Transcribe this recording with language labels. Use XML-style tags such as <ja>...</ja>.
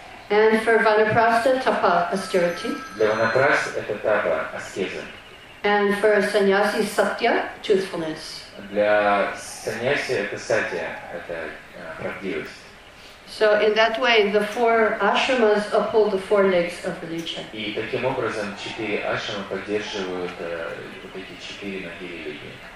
<en>And for Vanaprastha, Tapa, austerity.</en> <ru>Для Vanaprastha это Tapa, аскеза.</ru> <en>And for sannyasi, satya, truthfulness.</en> <ru>Для sannyasi это сатья, это правдивость.</ru> <en>So in that way, the four ashramas uphold the four legs of religion.</en> <ru>И таким образом четыре ашрамы поддерживают вот эти четыре ноги религии.</ru>